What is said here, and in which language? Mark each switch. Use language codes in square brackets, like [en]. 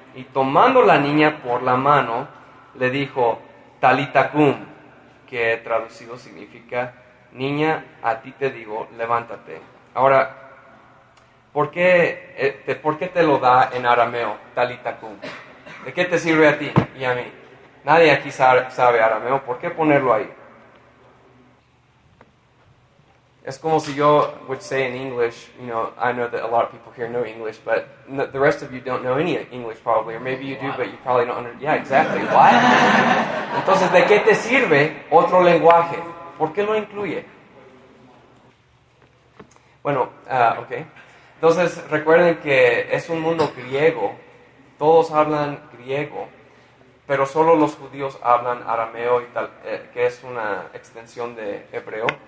[es] Y tomando la niña por la mano, le dijo, Talita cum, que traducido significa, niña, a ti te digo, levántate. Ahora, ¿por qué te lo da en arameo, Talita cum? ¿De qué te sirve a ti y a mí? Nadie aquí sabe arameo, ¿por qué ponerlo ahí? Es como si yo [en] would say in English, you know, I know that a lot of people here know English, but the rest of you don't know any English probably, or maybe you do, but you probably don't understand. Yeah, exactly. What? [es] Entonces, ¿de qué te sirve otro lenguaje? ¿Por qué lo incluye? Bueno, okay. Entonces, recuerden que es un mundo griego. Todos hablan griego, pero solo los judíos hablan arameo y tal, que es una extensión de hebreo.